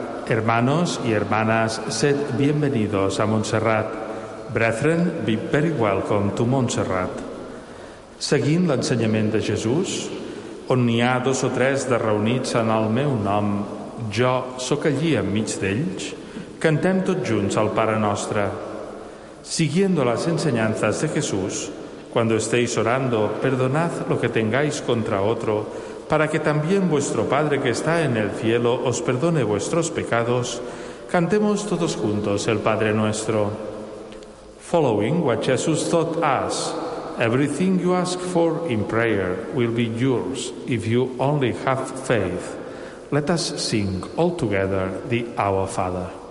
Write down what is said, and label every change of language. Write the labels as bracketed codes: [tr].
[es] Hermanos y hermanas, sed bienvenidos a Montserrat. [en] Brethren, be very welcome to Montserrat. [ca] Seguint l'ensenyament de Jesús, on n'hi ha dos o tres de reunits en el meu nom, jo sóc allí enmig d'ells, cantem tots junts el Pare Nostre. [es] Siguiendo las enseñanzas de Jesús, cuando estéis orando, perdonad lo que tengáis contra otro, para que también vuestro Padre que está en el cielo os perdone vuestros pecados, cantemos todos juntos el Padre Nuestro. [en] Following what Jesus taught us, everything you ask for in prayer will be yours if you only have faith. Let us sing all together the Our Father.